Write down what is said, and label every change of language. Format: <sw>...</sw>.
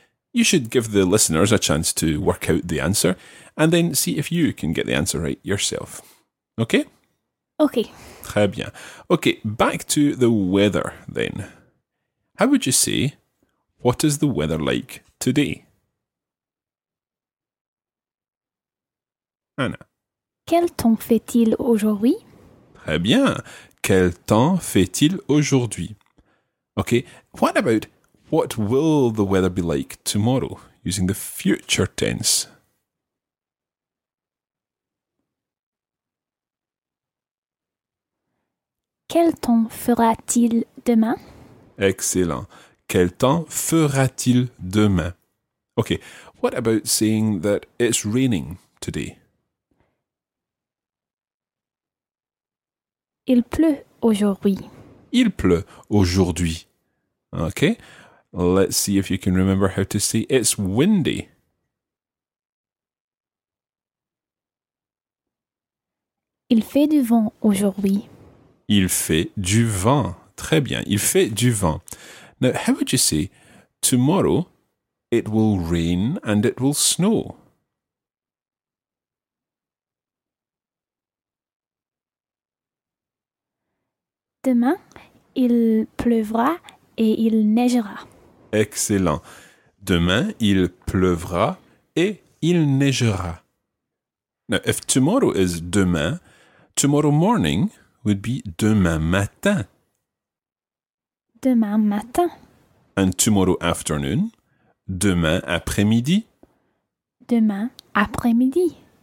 <en>You should give the listeners a chance to work out the answer, and then see if you can get the answer right yourself. Okay? Okay.</en> <fr>Très bien.</fr> <en>Okay, back to the weather then. How would you say, what is the weather like today? Anna.</en> <fr>Quel temps fait-il aujourd'hui? Très bien. Quel temps fait-il aujourd'hui?</fr> <en>Okay, what about, what will the weather be like tomorrow? Using the future tense.</en> <fr>Quel temps fera-t-il demain?</fr> <en>Excellent.</en> <fr>Quel temps fera-t-il demain?</fr> <en>Okay, what about saying that it's raining today?</en> <fr>Il pleut aujourd'hui. Il pleut aujourd'hui.</fr> <en>Okay, let's see if you can remember how to say it's windy.</en> <fr>Il fait du vent aujourd'hui. Il fait du vent. Très bien. Il fait du vent.</fr> <en>Now, how would you say, tomorrow, it will rain and it will snow?</en> <fr>Demain, il pleuvra et il neigera.</fr> <en>Excellent.</en> <fr>Demain, il pleuvra et il neigera.</fr> <en>Now, if tomorrow is demain, tomorrow morning would be</en> <fr>demain matin. Demain matin.</fr> <en>And tomorrow afternoon,</en> <fr>demain après-midi. Demain après-midi.</fr>